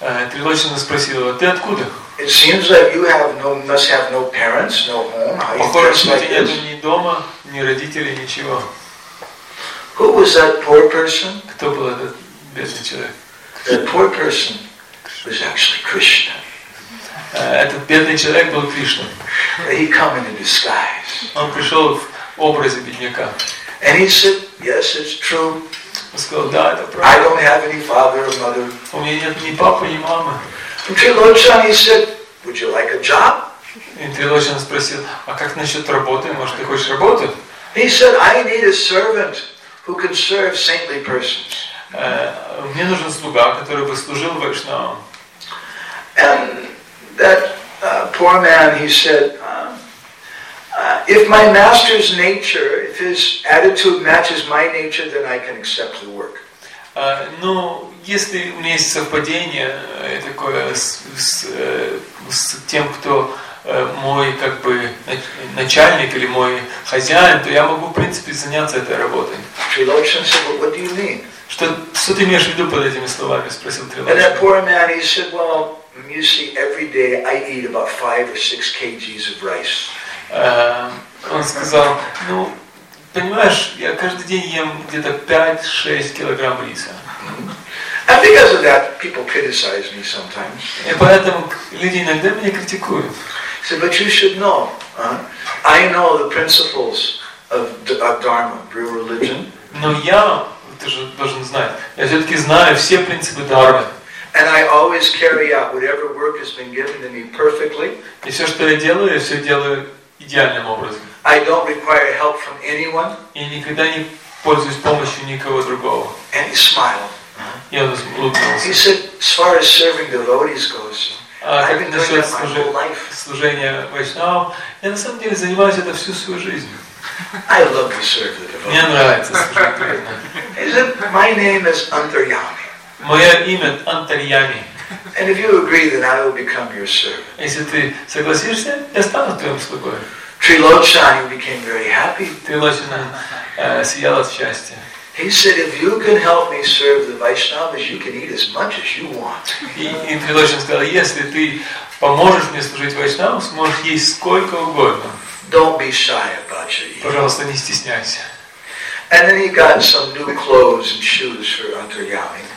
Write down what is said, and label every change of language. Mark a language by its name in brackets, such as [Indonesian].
[Russian] Трилочан спросил его, ты откуда? [English] It seems that you have no, must have no parents, no home. How are you dressed like this? [Russian] Ни дома, ни родителей, ничего. [English] Who was that poor person? [Russian] Кто был этот бедный человек? [English] That poor person was actually Krishna. [Russian] Этот бедный человек был Кришна. [English] He came in disguise. [Russian] Он пришел в образе бедняка. [English] And he said, "Yes, it's true." [Russian] Он сказал, да, это правда. [English] I don't have any father or mother. [Russian] У меня нет ни папы, ни мамы. [English] Trilochan, he said, would you like a job? [Russian] Trilochan спросил, а как насчет работы? Может, ты хочешь работу? [English] He said, I need a servant who can serve saintly persons. [Russian] Мне нужен слуга, который бы служил Вайшнавам. [English] And that poor man, he said, if my master's nature, if his attitude matches my nature, then I can accept the work. [Russian] Ну, если у меня есть совпадение такое с тем, кто мой как бы начальник или мой хозяин, то я могу в принципе заняться этой работой. [English] Trilochan said, well, what do you mean? [Russian] Что ты имеешь в виду под этими словами? Спросил Trilochan. [English] And that poor man, he said, well, you see, every day I eat about 5 or 6 kgs of rice. [Russian] Он сказал, ну, понимаешь, я каждый день ем где-то 5-6 килограмм риса. [English] And because of that, people criticize me sometimes. [Russian] И поэтому люди иногда меня критикуют. [English] He said, but you should know, I know the principles of Dharma, real religion. [Russian] Но я, ты же должен знать, я все-таки знаю все принципы Дхармы. [English] And I always carry out whatever work has been given to me perfectly. [Russian] И все, что я все делаю идеальным образом. [English] I don't require help from anyone. [Russian] Я никогда не пользуюсь помощью никого другого. [English] And he smiled. [Russian] И он улыбнулся. [English] He said, as far as serving devotees goes, I've been doing that my whole life. [Russian] Служение Вайшнавам. Я на самом деле занимаюсь это всю свою жизнь. [English] I love to serve the devotees. [Russian] Мне нравится служить. [English] He said, my name is Antaryami. [Russian] Мое имя Антарьями. [English] And if you agree, then I will become your servant. [Russian] Если ты согласишься, я стану твоим слугой. [English] Trilochan became very happy. [Russian] Трилочан сиял от счастья. [English] He said, if you can help me serve the Vaishnavas, you can eat as much as you want. [Russian] И Трилочан сказал, если ты поможешь мне служить Вайшнавам, сможешь есть сколько угодно. [English] Don't be shy about your eating. [Russian] Пожалуйста, не стесняйся. [English] And then he got some new clothes and shoes for Antaryami.